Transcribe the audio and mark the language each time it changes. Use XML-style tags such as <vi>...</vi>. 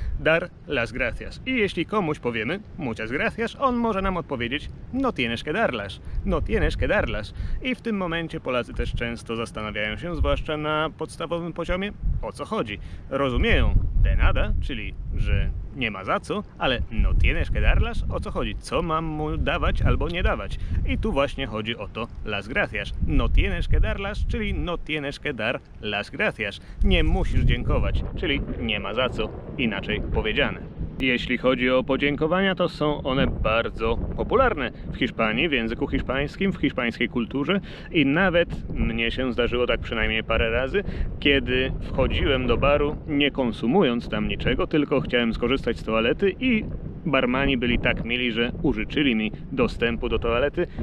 <es>Dar las gracias.</es> <pl>I jeśli komuś powiemy</pl> <es>muchas gracias,</es> <pl>on może nam odpowiedzieć</pl> <es>no tienes que darlas, no tienes que darlas.</es> <pl>I w tym momencie Polacy też często zastanawiają się, zwłaszcza na podstawowym poziomie, o co chodzi. Rozumieją</pl> <es>de nada,</es> <pl>czyli że nie ma za co, ale</pl> <es>no tienes que darlas,</es> <pl>o co chodzi, co mam mu dawać albo nie dawać. I tu właśnie chodzi o to las gracias.</pl> <es>No tienes que darlas,</es> <pl>czyli</pl> <es>no tienes que dar las gracias.</es> <pl>Nie musisz dziękować, czyli nie ma za co, inaczej powiedziane. Jeśli chodzi o podziękowania, to są one bardzo popularne w Hiszpanii, w języku hiszpańskim, w hiszpańskiej kulturze i nawet mnie się zdarzyło tak przynajmniej parę razy, kiedy wchodziłem do baru, nie konsumując tam niczego, tylko chciałem skorzystać z toalety i barmani byli tak mili, że użyczyli mi dostępu do toalety.</pl>